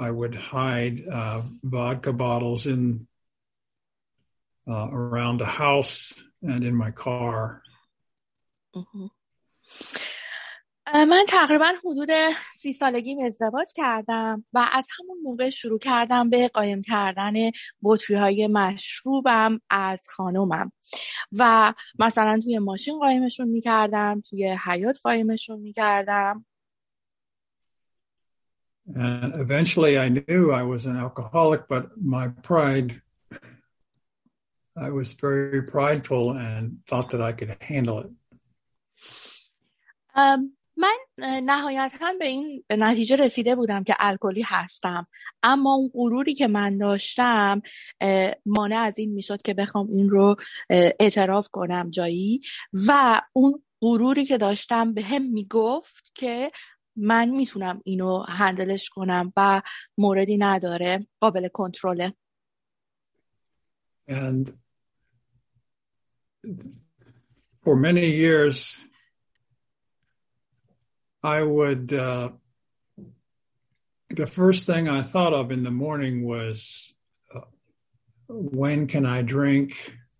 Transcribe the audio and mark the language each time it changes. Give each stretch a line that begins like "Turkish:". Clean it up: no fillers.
English: I would hide vodka bottles in around the house and in my car.
Persian: من تقریبا حدود 30 سالگیم ازدواج کردم و از همون موقع شروع کردم به قایم کردن بطری‌های مشروبم از خانومم و مثلا توی ماشین قایمشون می‌کردم، توی حیاط قایمشون می‌کردم.
English: And eventually I knew I was an alcoholic, but my pride, I was very prideful and thought that I could handle it.
Persian: من نهایتاً به این نتیجه رسیده بودم که الکلی هستم، اما اون غروری که من داشتم مانع از این میشد که بخوام این رو اعتراف کنم جایی و اون غروری که داشتم به هم میگفت که من میتونم اینو هندلش کنم و موردی نداره، قابل کنترله.
English: And for many years, I would, the first thing I thought of in the morning was, when can I drink?